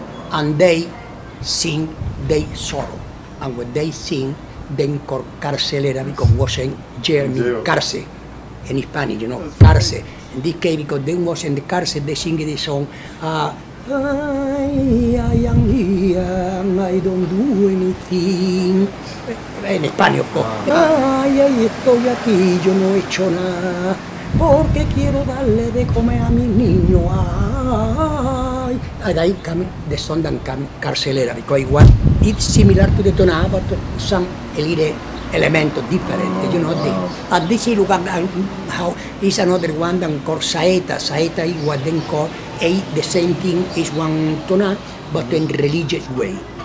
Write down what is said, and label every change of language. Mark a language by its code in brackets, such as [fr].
[en] And they sing their sorrow. And when they sing, then called carcelera, because was in jail, in carce, in Spanish, you know, carce. In this case, because they was in the carce, they sing the song, I am here and I don't do anything. [es] En español, [en] of course. [es] Ay, estoy aquí, yo no he hecho nada. Porque quiero darle de comer a mis niños. Ay. [en] And [es] ahí [en] came the song that came carcelera. Because [es] igual, [en] it's similar to the tonada, but some little elements different. Oh, you know, wow. And this is look at how is another one than called saeta. Saeta is what then called. The same thing is one tona, but in religious way.